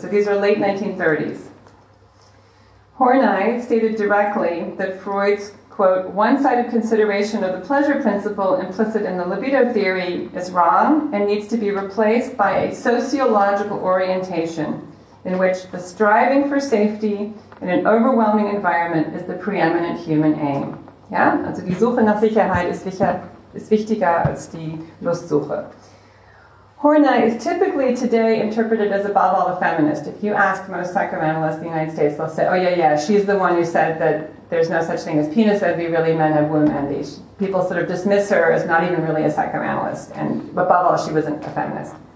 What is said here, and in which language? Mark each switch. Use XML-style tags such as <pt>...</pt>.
<en>So these are late 1930s. Horney stated directly that Freud's, quote, one-sided consideration of the pleasure principle implicit in the libido theory is wrong and needs to be replaced by a sociological orientation in which the striving for safety in an overwhelming environment is the preeminent human aim.</en> <de>Ja? Also die Suche nach Sicherheit ist wichtiger als die Lustsuche.</de> <en>Horney is typically today interpreted as above all a feminist. If you ask most psychoanalysts in the United States, they'll say, oh yeah, yeah, she's the one who said that there's no such thing as penis envy, really men have womb envy. People sort of dismiss her as not even really a psychoanalyst, and above all, she wasn't a feminist.</en>